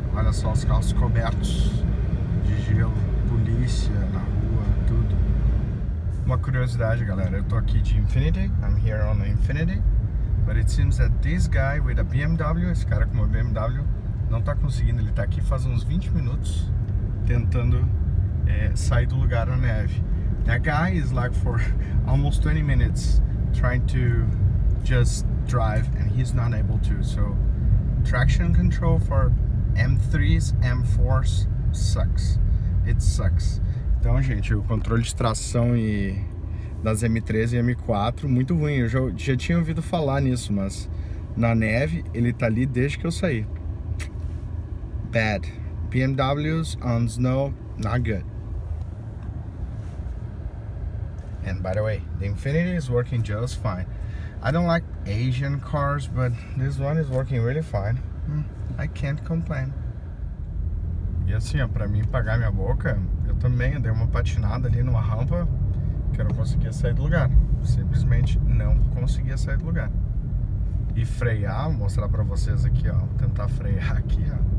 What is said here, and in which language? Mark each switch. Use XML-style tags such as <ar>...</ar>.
<pt>Olha só os carros cobertos de gelo. Polícia na rua, tudo. Uma curiosidade, galera. Eu tô aqui de Infiniti.</pt> <en>I'm here on Infiniti. But it seems that this guy with a BMW,</en> <pt>esse cara com uma BMW, não tá conseguindo, ele tá aqui faz uns 20 minutos tentando sair do lugar na neve.</pt> <en>That guy is like for almost 20 minutes trying to just drive and he's not able to. So, traction control for M3s, M4s, sucks. It sucks.</en> <pt>Então, gente, o controle de tração e das M3 e M4, muito ruim. Eu já tinha ouvido falar nisso, mas na neve ele tá ali desde que eu saí.</pt> <en>Bad. BMWs on snow, not good. And by the way, the Infiniti is working just fine. I don't like Asian cars, but this one is working really fine. I can't complain.</en> <pt>E assim, ó, pra mim pagar minha boca, eu também dei uma patinada ali numa rampa que eu não conseguia sair do lugar. Simplesmente não conseguia sair do lugar. E frear, vou mostrar pra vocês aqui, ó. Vou tentar frear aqui, ó.</pt>